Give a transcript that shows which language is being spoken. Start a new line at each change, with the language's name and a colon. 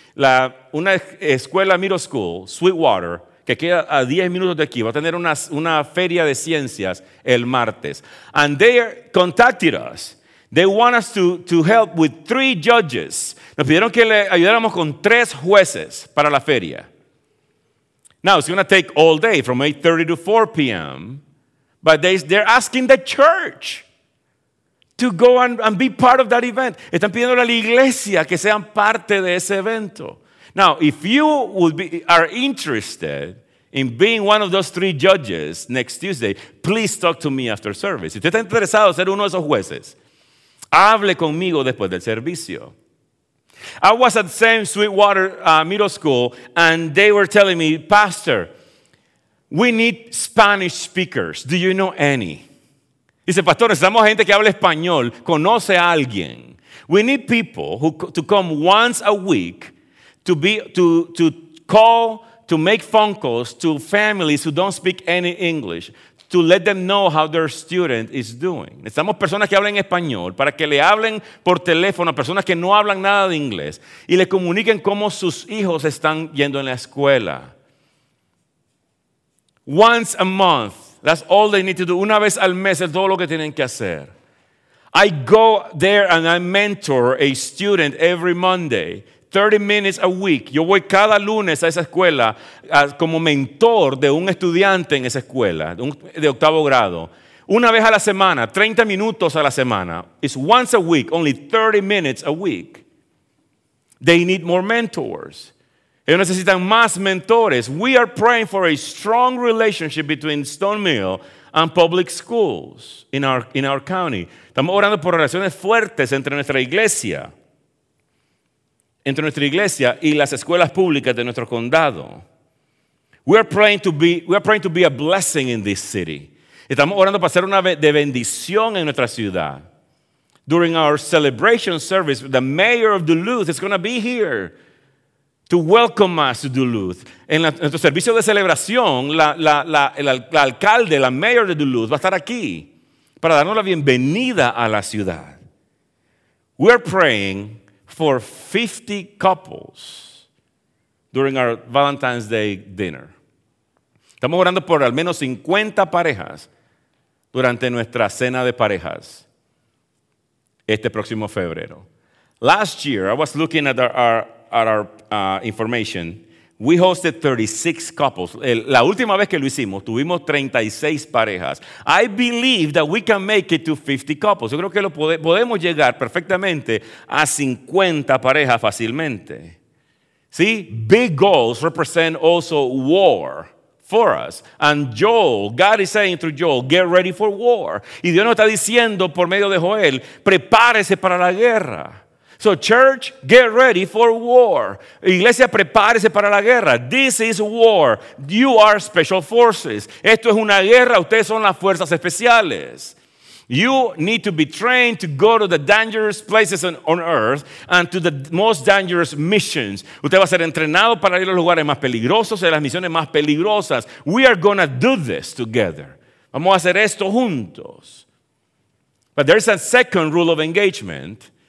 Spanish: Una escuela
English: middle school,
Spanish: Sweetwater, que queda a 10 minutos de aquí, va a tener una feria de ciencias el martes.
English: And they contacted us. They want us to help with 3 judges.
Spanish: Nos pidieron que le ayudáramos con 3 jueces para la feria.
English: Now, it's going to take all day from 8:30 to 4 p.m. But they're asking the church to go and be part of that event.
Spanish: Están pidiendo a la iglesia que sean parte de ese evento.
English: Now, if you are interested in being one of those 3 judges next Tuesday, please talk to me after service.
Spanish: Si usted está interesado en ser uno de esos jueces, hable conmigo después del servicio.
English: I was at the same Sweetwater Middle School, and they were telling me, Pastor, we need Spanish speakers. Do you know any?
Spanish: Dice, Pastor, necesitamos gente que hable español. ¿Conoce a alguien? We need people to come once a week to call, to make phone calls to families who don't speak any English to let them know how their student is doing. Necesitamos personas que hablen español para que le hablen por teléfono a personas que no hablan nada de inglés y le comuniquen cómo sus hijos están yendo en la escuela.
English: Once a month. That's all they need to do.
Spanish: Una vez al mes es todo lo que tienen que hacer.
English: I go there and I mentor a student every Monday, 30 minutes a week.
Spanish: Yo voy cada lunes a esa escuela como mentor de un estudiante en esa escuela, de octavo grado. Una vez a la semana, 30 minutos a la semana.
English: It's once a week, only 30 minutes a week. They need more mentors.
Spanish: Ellos necesitan más mentores.
English: We are praying for a strong relationship between Stone Mill and public schools in our county.
Spanish: Estamos orando por relaciones fuertes entre nuestra iglesia entre nuestra iglesia y las escuelas públicas de nuestro condado.
English: We are praying to be a blessing in this city.
Spanish: Estamos orando para ser una de bendición en nuestra ciudad.
English: During our celebration service, the mayor of Duluth is going to be here to welcome us to Duluth.
Spanish: En nuestro servicio de celebración, la alcalde, la mayor de Duluth, va a estar aquí para darnos la bienvenida a la ciudad.
English: We are praying for 50 couples during our Valentine's Day dinner.
Spanish: Estamos orando por al menos 50 parejas durante nuestra cena de parejas este próximo febrero.
English: Last year, I was looking at our information. We hosted 36 couples.
Spanish: La última vez que lo hicimos, tuvimos 36 parejas.
English: I believe that we can make it to 50 couples.
Spanish: Yo creo que podemos llegar perfectamente a 50 parejas fácilmente.
English: See, big goals represent also war for us. And Joel, God is saying through Joel, get ready for war.
Spanish: Y Dios nos está diciendo por medio de Joel, prepárese para la guerra.
English: So church, get ready for war.
Spanish: Iglesia, prepárese para la guerra.
English: This is war. You are special forces.
Spanish: Esto es una guerra. Ustedes son las fuerzas especiales.
English: You need to be trained to go to the dangerous places on earth and to the most dangerous missions.
Spanish: Usted va a ser entrenado para ir a los lugares más peligrosos y a las misiones más peligrosas.
English: We are going to do this together.
Spanish: Vamos a hacer esto juntos.
English: But there is a second rule of engagement.